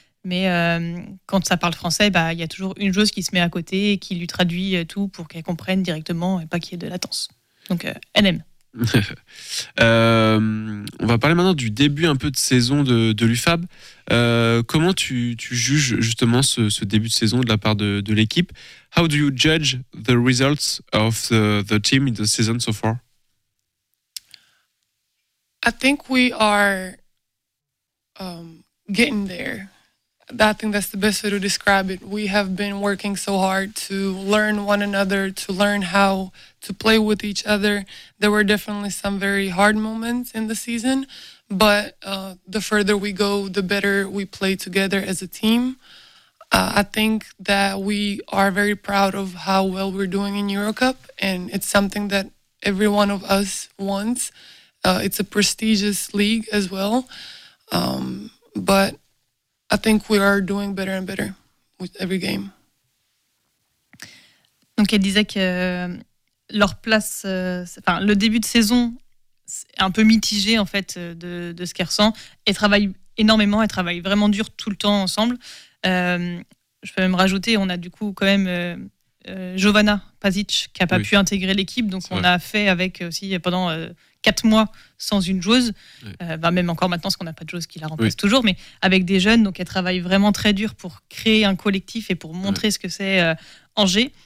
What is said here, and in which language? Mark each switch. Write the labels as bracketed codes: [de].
[fr] Mais quand ça parle français, bah, il y a toujours une joueuse qui se met à côté et qui lui traduit tout pour qu'elle comprenne directement et pas qu'il y ait de latence. Donc, elle aime. On va parler maintenant du début un peu de saison de l'UFAB. Comment tu juges justement ce début de saison de la part de l'équipe? [en] How do you judge the results of the team in the season so far? I think we are getting there. I think that's the best way to describe it. We have been working so hard to learn one another, to learn how to play with each other. There were definitely some very hard moments in the season, but the further we go, the better we play together as a team. I think that we are very proud of how well we're doing in EuroCup, and it's something that every one of us wants. It's a prestigious league as well, but I think we are doing better and better with every game. [fr] Donc elle disait que leur place, enfin le début de saison, c'est un peu mitigé en fait de ce qu'elle ressent. Elle travaille énormément, elle travaille vraiment dur tout le temps ensemble. Je peux même rajouter, on a du coup quand même Jovana Pazic qui n'a pas pu intégrer l'équipe, donc c'est on vrai. A fait avec aussi pendant 4 mois sans une joueuse, même encore maintenant parce qu'on n'a pas de joueuse qui la remplace toujours, mais avec des jeunes, donc elle travaille vraiment très dur pour créer un collectif et pour montrer ce que c'est Angers.